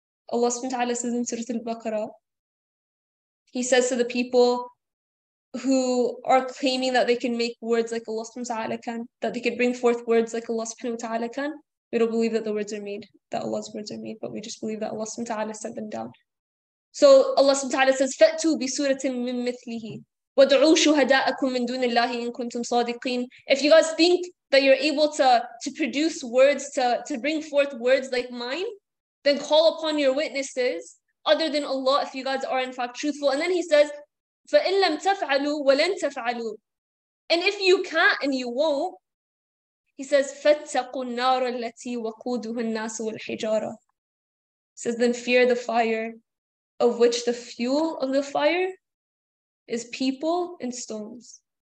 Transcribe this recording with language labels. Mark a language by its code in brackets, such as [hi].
[en] Allah subhanahu wa ta'ala says in Surah Al-Baqarah, He says to the people who are claiming that they can make words like Allah subhanahu wa ta'ala can, that they can bring forth words like Allah subhanahu wa ta'ala can, we don't believe that the words are made, that Allah's words are made, but we just believe that Allah subhanahu wa ta'ala sent them down. So Allah subhanahu wa ta'ala says, [ar] فَأْتُوا بِسُورَةٍ مِّن مِّثْلِهِ وَدْعُوا شُهَدَاءَكُمْ مِن دُونِ اللَّهِ إِن كُنْتُمْ صَادِقِينَ. [en] If you guys think that you're able to produce words, to bring forth words like mine, then call upon your witnesses other than Allah if you guys are in fact truthful. And then he says, [ar] فَإِن لَمْ تَفْعَلُوا وَلَن تَفْعَلُوا. [en] And if you can't and you won't, he says, [ar] فَاتَّقُوا النَّارَ الَّتِي وَقُودُهُ النَّاسُ وَالْحِجَارَةُ. [en] He says, then fear the fire of which the fuel of the fire is people and stones.